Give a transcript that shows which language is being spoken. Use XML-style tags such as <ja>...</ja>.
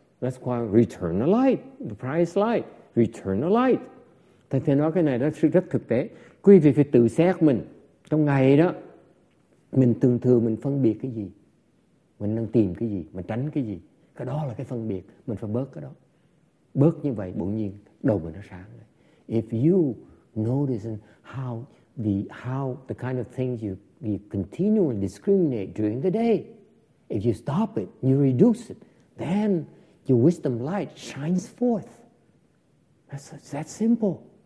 <en>That's why return the light, the price light. Return the light.</en> <vi>Thầy thầy nói cái này nó rất thực tế. Quý vị phải tự xét mình. Trong ngày đó, mình thường thường mình phân biệt cái gì? Mình đang tìm cái gì? Mình tránh cái gì? Cái đó là cái phân biệt. Mình phải bớt cái đó. Bớt như vậy, bỗng nhiên đầu mình nó sáng.</vi> <en>If you notice how the kind of things you continually discriminate during the day, if you stop it, you reduce it, then your wisdom light shines forth. That's that simple.</en>